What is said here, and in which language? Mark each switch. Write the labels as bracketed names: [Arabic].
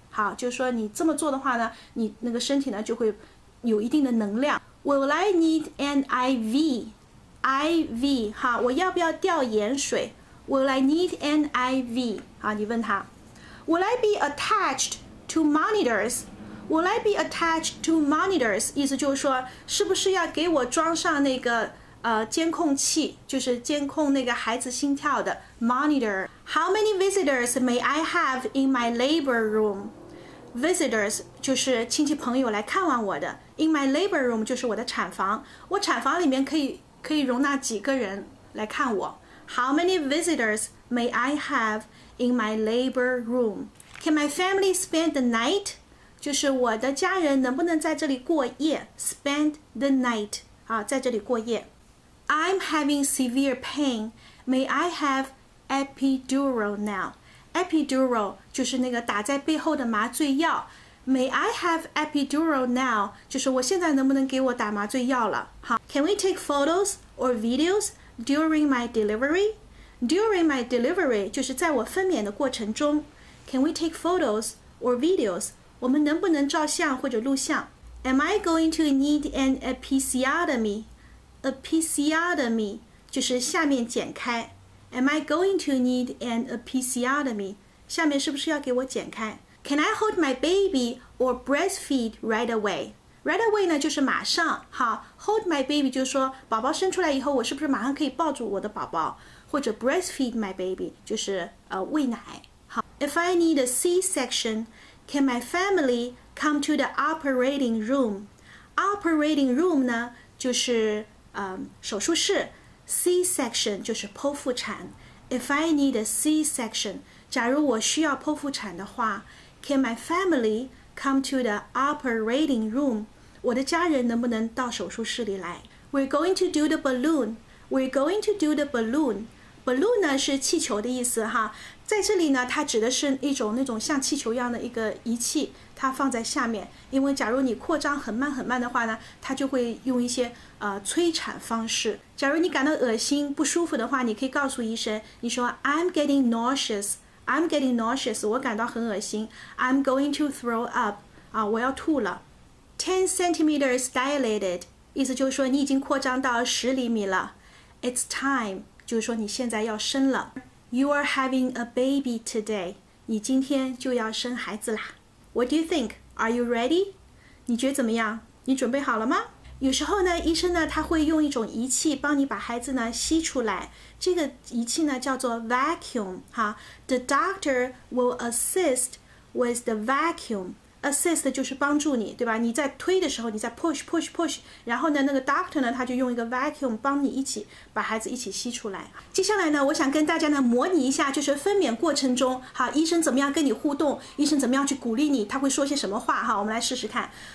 [Chinese] 好，就是说你这么做的话呢，你那个身体呢就会有一定的能量。 [English] Will I need an IV? [Chinese] IV， 好，我要不要吊盐水？ [English] Will I need an IV? [Chinese] 好，你问他。 [English] Will I be attached to monitors? Will I be attached to monitors? [Chinese] 意思就是说，是不是要给我装上那个监控器，就是监控那个孩子心跳的 monitor. [English] How many visitors may I have in my labor room? [Chinese] Visitors 就是亲戚朋友来看望我的。 [English] In my labor room [Chinese] 就是我的产房。我产房里面可以容纳几个人来看我。 [English] How many visitors may I have in my labor room? Can my family spend the night? [Chinese] 就是我的家人能不能在这里过夜？ [English] Spend the night， [Chinese] 在这里过夜。 [English] I'm having severe pain. May I have epidural now? [Chinese] Epidural 就是那个打在背后的麻醉药。 [English] May I have epidural now? [Chinese] 就是我现在能不能给我打麻醉药了？好， [English] Can we take photos or videos? During my delivery [Chinese] 就是在我分娩的过程中。 [English] Can we take photos or videos? [Chinese] 我们能不能照相或者录像？ [English] Am I going to need an episiotomy? Episiotomy [Chinese] 就是下面剪开。 [English] Am I going to need an episiotomy? [Chinese] 下面是不是要给我剪开？ [English] Can I hold my baby or breastfeed right away? [Chinese] Right away 呢就是马上，好， [English] hold my baby [Chinese] 就是说宝宝生出来以后我是不是马上可以抱住我的宝宝，或者 [English] breastfeed my baby [Chinese] 就是喂奶。 [English] 好， If I need a C-section, can my family come to the operating room? [Chinese] Operating room 呢就是手术室，C-section 就是剖腹产。 [English] If I need a C-section, [Chinese] 假如我需要剖腹产的话， [English] Can my family come to the operating room? [Chinese] 我的家人能不能到手术室里来？ [English] We're going to do the balloon. We're going to do the balloon. [Chinese] Balloon 呢是气球的意思哈，在这里呢它指的是一种那种像气球一样的一个仪器，它放在下面，因为假如你扩张很慢很慢的话呢，它就会用一些催产方式。假如你感到恶心不舒服的话，你可以告诉医生，你说 [English] I'm getting nauseous, [Chinese] 我感到很恶心， [English] I'm going to throw up, [Chinese] 我要吐了。 [English] 10 centimeters dilated, [Chinese] 意思就是说你已经扩张到10厘米了。 [English] It's time, [Chinese] 就是说你现在要生了。 [English] You are having a baby today, [Chinese] 你今天就要生孩子啦。 [English] What do you think? Are you ready? [Chinese] 你觉得怎么样？你准备好了吗？有时候呢，医生呢，他会用一种仪器帮你把孩子呢吸出来。这个仪器呢叫做 vacuum 哈。 [English] The doctor will assist with the vacuum. [Chinese] Assist 就是帮助你，对吧？你在推的时候，你在 push， 然后呢，那个 doctor 呢，他就用一个 vacuum 帮你一起把孩子一起吸出来。接下来呢，我想跟大家呢模拟一下，就是分娩过程中，哈，医生怎么样跟你互动，医生怎么样去鼓励你，他会说些什么话哈？我们来试试看。